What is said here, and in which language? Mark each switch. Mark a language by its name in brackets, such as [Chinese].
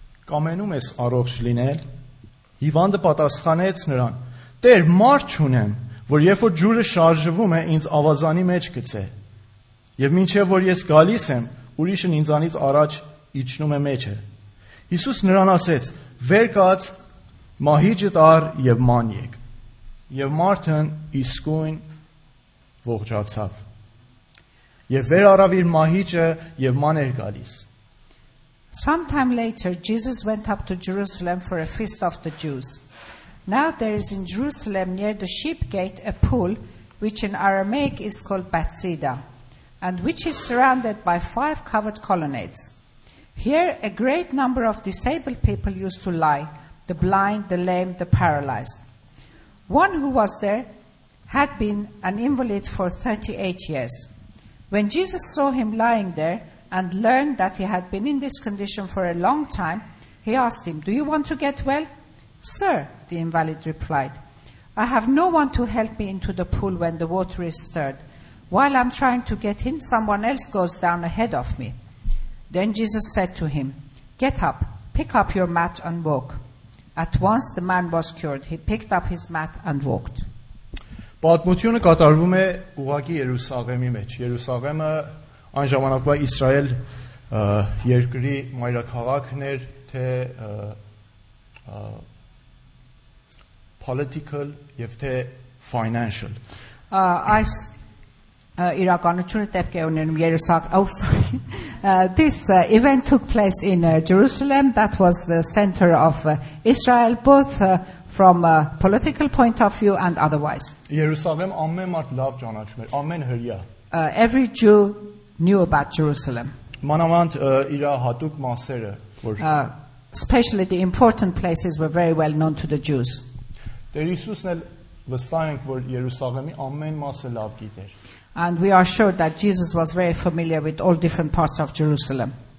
[Armenian] Կամենում ես առողջ լինել Հիվանդը պատասխանեց նրան Տեր մարդ չունեմ որ երբ որ ջուրը շարժվում է ինձ ավազանի մեջ գցե եւ մինչեւ որ ես գալիս եմ ուրիշն ինձանից առաջ իջնում է մեջը Հիսուս նրան ասեց Վեր կաց Մահիճը տար եւ ման եկ եւ մարդն իսկույն ողջացավ եւ վեր առավ իր մահիճը եւ մաներ գալիս [English] Sometime later Jesus went up to Jerusalem for a feast of the Jews Now there is in Jerusalem near the sheep gate a pool which in Aramaic is called Bethesda and which is surrounded by five covered colonnades Here a great number of disabled people used to lie the blind, the lame, the paralyzed. One who was there had been an invalid for 38 years. When Jesus saw him lying there and learned that he had been in this condition for a long time, he asked him, Do you want to get well? Sir, the invalid replied, I have no one to help me into the pool when the water is stirred. While I'm trying to get in, someone else goes down ahead of me. Then Jesus said to him, Get up, pick up your mat and walk. At once the man was cured. He picked up his mat and walked. [Armenian] Պատմությունը կատարվում է ուղղակի Երուսաղեմի մեջ։ Երուսաղեմը այն ժամանակվա Իսրայել երկրի մայրաքաղաքն էր, թե political եւ թե financial։ Այս իրականությունը տեղի ունենում [English] This event took place in Jerusalem. That was the center of Israel, both from a political point of view and otherwise. [Armenian] Jerusalem, ամեն մարդ լավ ճանաչում էր, ամեն հրեա. [English] Every Jew knew about Jerusalem. [Armenian] Մանավանդ իր հատուկ մասերը, [English] որ especially the important places were very well known to the Jews. [Armenian] Դեր Հիսուսն էլ վստահ ենք, որ Երուսաղեմի ամեն մասը լավ գիտեր. [English] And we are sure that Jesus was very familiar with all different parts of Jerusalem.